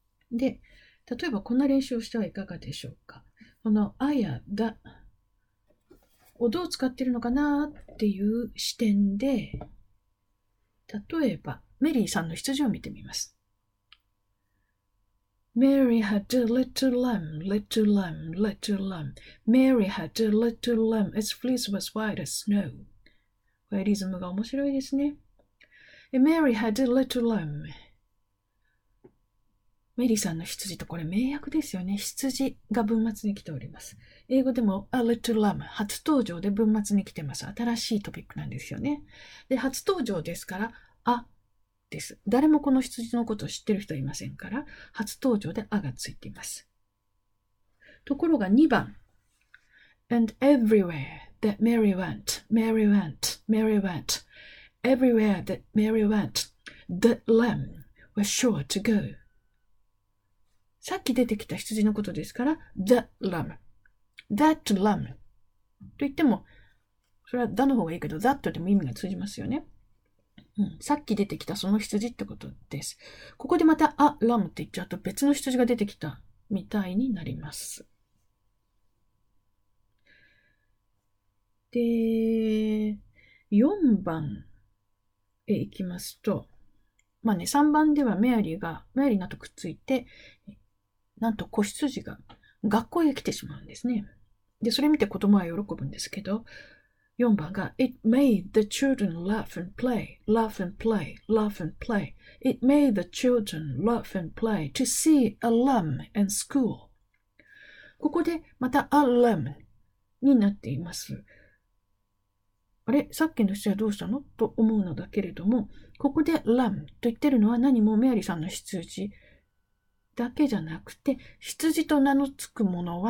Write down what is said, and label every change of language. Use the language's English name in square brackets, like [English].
[Japanese] で、例えばこんな練習をしてはいかがでしょうか。このあやだをどう使っているのかなっていう視点で、例えばメリーさんの羊を見てみます。 [English] Mary had a little lamb, little lamb, little lamb. Mary had a little lamb, its fleece was white as snow. [Japanese] これリズムが面白いですね。 [English] Mary had a little lamb. [Japanese] メリーさんの羊とこれ名訳ですよね。羊が文末に来ております。英語でも [English] a little lamb [Japanese] 初登場で文末に来てます。新しいトピックなんですよね。で、初登場ですから、あ、です。誰もこの羊のことを知ってる人いませんから、初登場で「あ」がついています。ところが2番 [English] And everywhere that Mary went, Mary went, Mary went, everywhere that Mary went, the lamb was sure to go。 [Japanese] さっき出てきた羊のことですから the lamb、 that lamb と言っても、それは the の方がいいけど、 that でも意味が通じますよね。さっき出てきたその羊ってことです。ここでまた、あ、ラムって言っちゃうと別の羊が出てきたみたいになります。で、4番へ行きますと、まあね、3番ではメアリーなとくっついて、なんと子羊が学校へ来てしまうんですね。で、それ見て子供は喜ぶんですけど、4番が、 [English] It made the children laugh and play, laugh and play, laugh and play. It made the children laugh and play to see a lamb in school. [Japanese] ここでまた a lamb になっています。あれ、さっきの人はどうしたの？と思うのだけれども、ここで lamb と言ってるのは何もメアリさんの羊だけじゃなくて、羊と名のつくものは